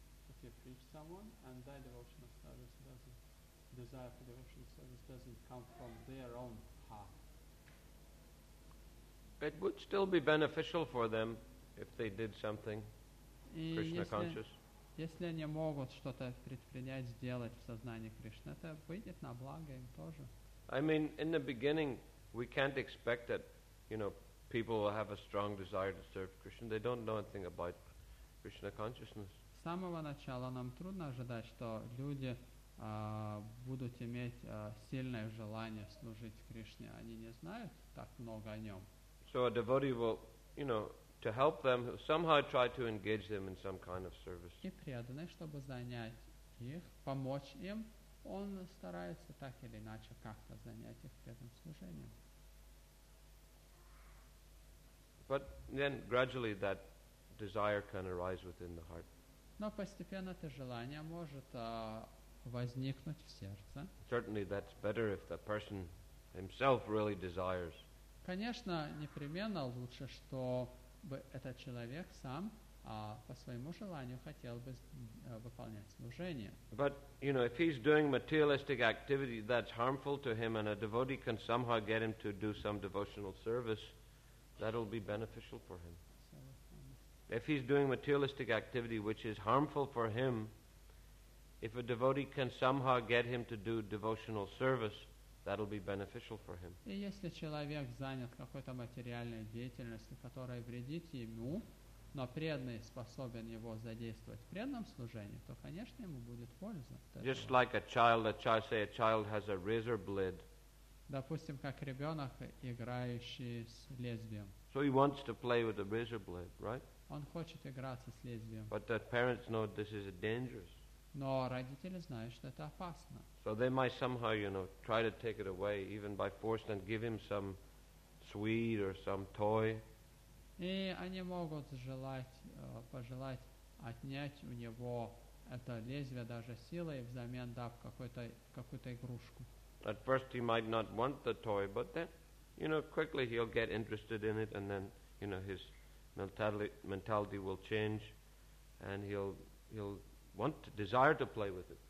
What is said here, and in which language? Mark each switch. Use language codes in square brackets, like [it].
[en] If you preach someone and their devotional service doesn't, desire for devotional service doesn't come from their own heart. It would still be beneficial for them if they did something Krishna conscious. [ru] Если они могут что-то предпринять, сделать в сознании Кришны, это выйдет на благо им тоже. [en] I mean, in the beginning, we can't expect that, you know, people will have a strong desire to serve Krishna. They don't know anything about Krishna consciousness. [ru] С самого начала нам трудно ожидать, что люди будут иметь сильное желание служить Кришне. Они не знают так много о нем. [en] So a devotee will, you know, to help them, somehow try to engage them in some kind of service. [ru] И преданный, чтобы занять их, помочь им, он старается так или иначе как-то занять их этим служением. [en] But then gradually that desire can arise within the heart. [ru] Но постепенно это желание может возникнуть в сердце. [en] Certainly that's better if the person himself really desires. [ru] Конечно, непременно лучше, чтобы этот человек сам по своему желанию хотел бы выполнять служение. [en] But, you know, if he's doing materialistic activity that's harmful to him and a devotee can somehow get him to do some devotional service, that'll be beneficial for him. If he's doing materialistic activity which is harmful for him, if a devotee can somehow get him to do devotional service, that'll be beneficial for him. [ru] И если человек занят какой-то материальной деятельностью, которая вредит ему, но преданный способен его задействовать в преданном служении, то, конечно, ему будет польза. [en] Just like a child has a razor blade. [ru] Допустим, как ребенок, играющий с лезвием. [en] So he wants to play with a razor blade, right? [ru] Он хочет играться с лезвием. [en] But the parents know this is dangerous. [ru] Но родители знают, что это опасно. [en] So they might somehow, you know, try to take it away, even by force, and give him some sweet or some toy. [ru] И они могут пожелать отнять у него это лезвие даже силой, взамен дав какую-то игрушку. [en] At first he might not want the toy, but then, you know, quickly he'll get interested in it, and then, you know, his mentality will change, and he'll want to desire to play with